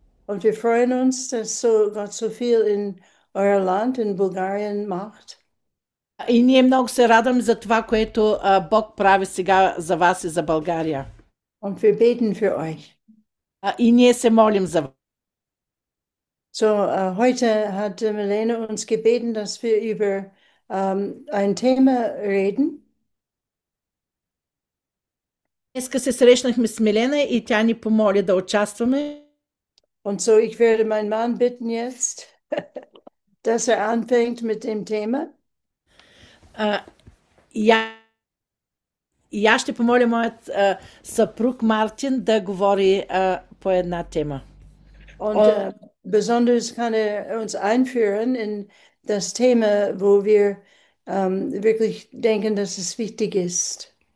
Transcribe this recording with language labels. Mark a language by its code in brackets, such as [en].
[de] Und wir freuen uns, dass so Gott so viel in euer Land in Bulgarien macht. [bg] И ние много се радваме за това, което Бог прави сега за вас и за България. [de] Und wir beten für euch. [bg] И ние се молим за вас. [de] So, heute hat Milena uns gebeten, dass wir über ein Thema reden. [bg] Днеска се срещнахме с Милена и тя ни помоли да участваме. [de] Und so, ich werde meinen Mann bitten jetzt, dass er anfängt mit dem Thema. [bg] Ja, ще помоля моят съпруг Мартин да говори по една тема. [de] Und besonders kann er uns einführen in das Thema, wo wir wirklich denken, dass es wichtig ist.